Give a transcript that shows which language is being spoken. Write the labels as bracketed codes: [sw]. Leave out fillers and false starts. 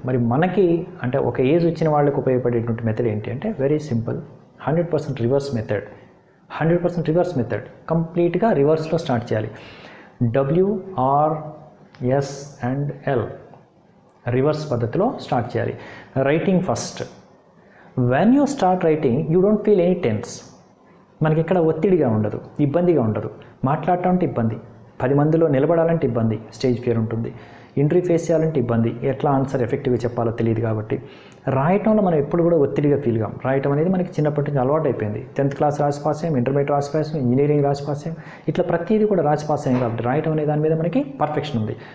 [te] మరి మనకి అంటే ఒక ఏజ్ వచ్చిన వాళ్ళకి ఉపయోగపడేటువంటి మెథడ్ ఏంటి అంటే very simple, 100% reverse method. 100% reverse method కంప్లీట్గా రివర్స్లో స్టార్ట్ చేయాలి. WRSL రివర్స్ పద్ధతిలో స్టార్ట్ చేయాలి. Writing first. [en] When you start writing, you don't feel any tense. [te] మనకి ఇక్కడ ఒత్తిడిగా ఉండదు, ఇబ్బందిగా ఉండదు. మాట్లాడటం అంటే ఇబ్బంది, 10 మందిలో నిలబడాలంటే ఇబ్బంది, స్టేజ్ ఫియర్ ఉంటుంది. ఇంటర్వ్యూ ఫేస్ చేయాలంటే ఇబ్బంది, ఎట్లా ఆన్సర్ ఎఫెక్టివ్గా చెప్పాలో తెలియదు కాబట్టి. రాయటంలో మనం ఎప్పుడు కూడా ఒత్తిడిగా ఫీల్ కాం. రాయటం అనేది మనకి చిన్నప్పటి నుంచి అలవాటు అయిపోయింది. 10th క్లాస్ రాసి పాసేం, ఇంటర్మీడియట్ రాసి పాసేం, ఇంజనీరింగ్ రాసి పాసేం, ఇట్లా ప్రతిదీ కూడా రాసి పాసేం కాబట్టి రాయటం అనే దాని మీద మనకి పర్ఫెక్షన్ ఉంది.